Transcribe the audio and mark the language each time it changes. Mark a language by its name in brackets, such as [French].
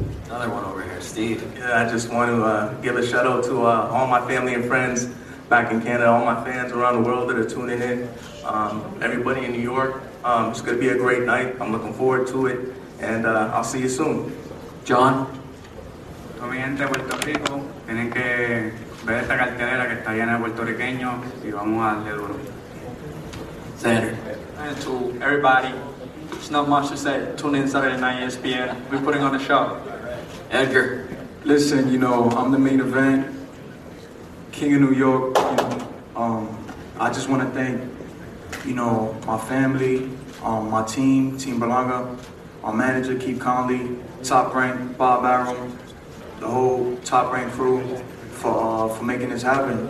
[English] Another one over here, Steve. Yeah, I just want to give a shout out to all my family and friends back in Canada, all my fans around the world that are tuning in, everybody in New York. It's going to be a great night. I'm looking forward to it, and I'll see you soon. John? [Spanish] Mi gente de Puerto Rico, tienen que ver esta cartelera que está llena de puertorriqueños, y vamos a darle duro. [English] Sander? And to everybody, it's not much to say. Tune in Saturday night, ESPN. We're putting on a show. Edgar? Listen, you know, I'm the main event. King of New York, you know, I just want to thank, you know, my family, my team, Team Berlanga, my manager, Keith Conley, Top Rank, Bob Arum, the whole Top Rank crew for making this happen.